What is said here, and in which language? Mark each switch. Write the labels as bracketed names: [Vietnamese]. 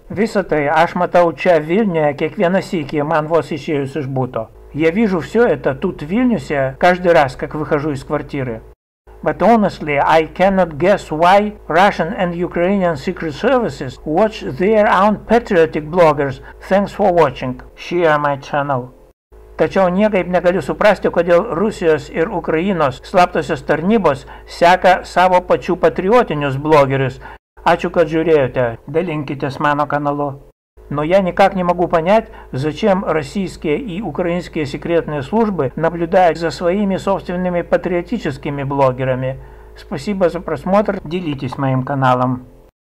[Lithuanian] Visa tai aš matau čia Vilniuje kiekvieną sykį, man vos išėjus iš buto. [Russian] Я вижу все это тут в Вильнюсе каждый раз, как выхожу из квартиры. [English] But honestly, I cannot guess why Russian and Ukrainian secret services watch their own patriotic bloggers. Thanks for watching. Share my channel. [Lithuanian] Tačiau niekaip negaliu suprasti, kodėl Rusijos ir Ukrainos slaptosios tarnybos seka savo pačių patriotinius blogerius. Ačiū, kad žiūrėjote, dalinkitės mano kanalu. [Russian] Но я никак не могу понять, зачем российские и украинские секретные службы наблюдают за своими собственными патриотическими блогерами. Спасибо за просмотр, делитесь моим каналом.